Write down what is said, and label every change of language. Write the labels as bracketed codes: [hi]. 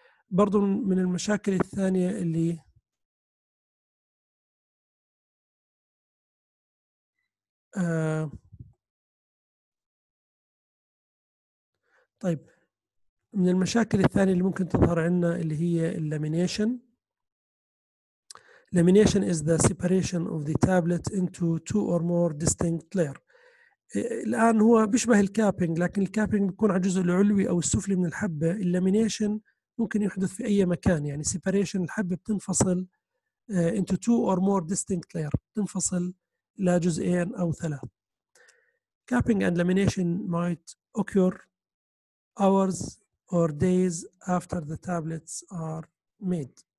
[ar] برضو من المشاكل الثانية اللي طيب من المشاكل الثانية اللي ممكن تظهر عندنا اللي هي اللامينيشن. [en] Lamination is the separation of the tablet into two or more distinct layer. [ar] الآن هو بيشبه الكابينج، لكن الكابينج بيكون على الجزء العلوي أو السفلي من الحبة. اللامينيشن ممكن يحدث في أي مكان، يعني separation الحبة بتنفصل [en] into two or more distinct layer، [ar] تنفصل لجزئين أو ثلاث. [en] Capping and lamination might occur hours or days after the tablets are made.